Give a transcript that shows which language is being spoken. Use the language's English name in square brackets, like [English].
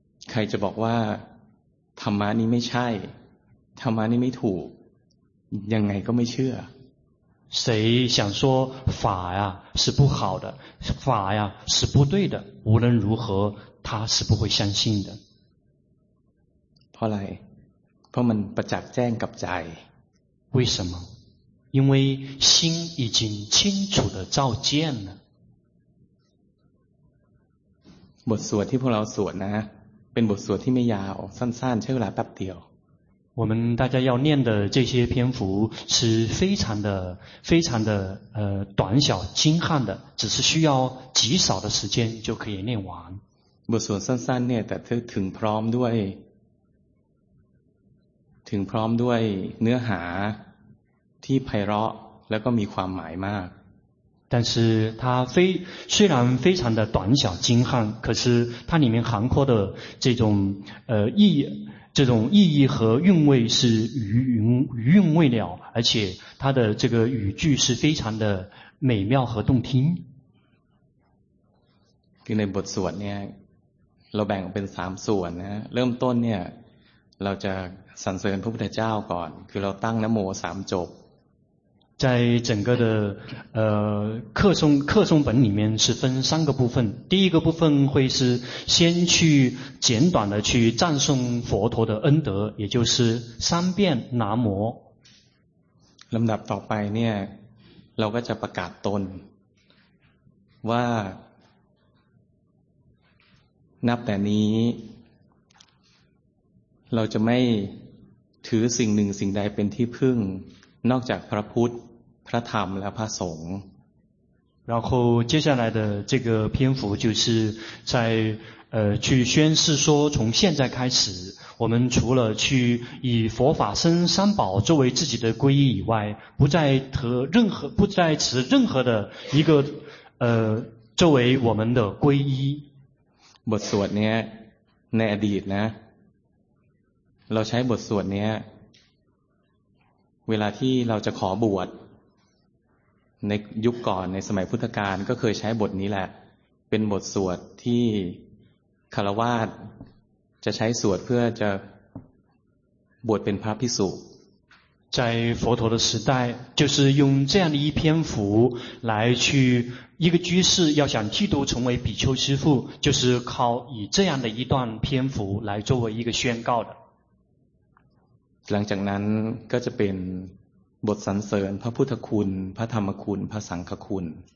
[Thai] ใครจะบอกว่าธรรมะนี้ไม่ใช่ธรรมะนี้ไม่ถูกยังไงก็ไม่เชื่ [Chinese] อ谁想说法呀是不好的法呀是不对的无论如何他是不会相信的 [Thai] เพราะอะไรเพราะมันประจักษ์แจ้งกับใจ [Chinese] 为什么因为心已经清楚的照见了 [Thai] บทสวดที่พวกเราสวดนะเป็นบทสวดที่ไม่ยาวสั้นๆใช้เวลาแป๊บเดียว [Chinese] 我们大家要念的这些篇幅是非常的非常的短小精悍的只是需要极少的时间就可以念完 [Thai] บทสวดสั้นๆเนี่ยแต่ถึงพร้อมด้วยถึงพร้อมด้วยเนื้อหาที่ไพเราะแล้วก็มีความหมายมาก [Chinese] 但是它非虽然非常的短小精悍，可是它里面含括的这种意这种意义和韵味是余韵未了，而且它的这个语句是非常的美妙和动听。 [Thai] คือในบทสวดเนี่ยเราแบ่งเป็นสามส่วนนะเริ่มต้นเนี่ยเราจะสรรเสริญพระพุทธเจ้าก่อนคือเราตั้งนะโมสามจบ [Chinese] 在整个的课诵本里面是分三个部分，第一个部分会是先去简短的去赞颂佛陀的恩德，也就是三遍南无。 [Thai] ลำดับต่อไปเนี่ยเราก็จะประกาศตนว่านับแต่นี้เราจะไม่ถือสิ่งหนึ่งสิ่งใดเป็นที่พึ่งนอกจากพระพุทธพระธรรมและพระสงฆ์ [Chinese] 然后接下来的这个篇幅就是在去宣示说从现在开始我们除了去以佛法僧三宝作为自己的皈依以外不再持任何的一个作为我们的皈依 [Thai] บทสวดเนี้ยในอดีตนะเราใช้บทสวดเนี้ยเวลาที่เราจะขอบวชในยุคก่อนในสมัยพุทธกาลก็เคยใช้บทนี้แหละเป็นบทสวดที่คฤหัสถ์จะใช้สวดเพื่อจะบวชเป็นพระภิกษุ [Chinese] 在佛陀的时代就是用这样的一篇符来去一个居士要想剃度成为比丘师父就是靠以这样的一段篇符来作为一个宣告的 [Thai] หลังจากนั้นก็จะเป็นบทสรรเสริญพระพุทธคุณพระธรรมคุณพระสังฆคุณ